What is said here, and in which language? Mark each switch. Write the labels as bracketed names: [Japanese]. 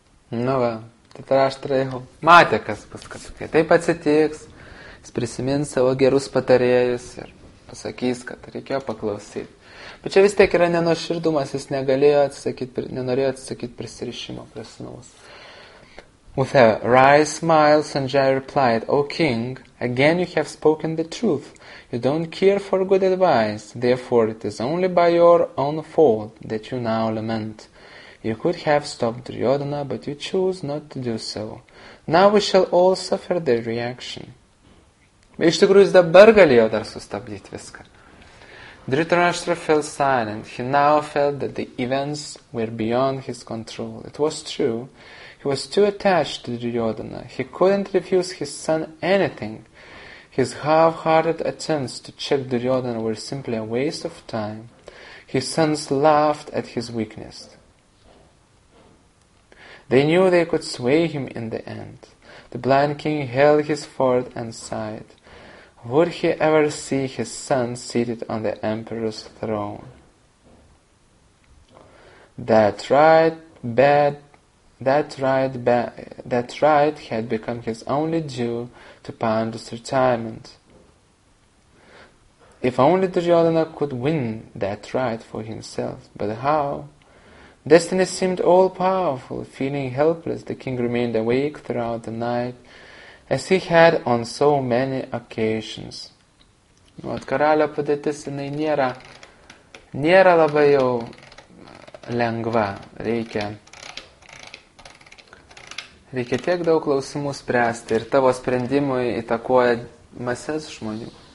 [Lithuanian] No, Tetraštra jau matė, kas bus, kad kai taip atsitiks, jis prisimins savo gerus patarėjus ir pasakys, kad reikėjo paklausyti. Bet čia vis tiek yra nenoširdumas, jis nenorėjo atsisakyti prisirišimo prie sūnaus. [English] With a wry smile, Sanjaya replied, O king, again you have spoken the truth. You don't care for good advice, therefore it is only by your own fault that you now lament. You could have stopped Duryodhana, but you choose not to do so. Now we shall all suffer the reaction. [Lithuanian] Iš tikrųjų, jis dabar galėjo dar sustabdyti viską. [English] Dhritarashtra fell silent. He now felt that the events were beyond his control. It was true. He was too attached to Duryodhana. He couldn't refuse his son anything. His half-hearted attempts to check Duryodhana were simply a waste of time. His sons laughed at his weakness. They knew they could sway him in the end. The blind king held his fort and sighed. Would he ever see his son seated on the emperor's throne? That right had become his only due to Pandu's retirement. If only Duryodhana could win that right for himself, but how? Destiny seemed all powerful. Feeling helpless, the king remained awake throughout the night, as he had on so many occasions. [Lithuanian] Nu, karalio padėtis jinai nėra labai jau lengva. Reikia tiek daug klausimų spręsti ir tavo sprendimui įtakoja masės žmonių.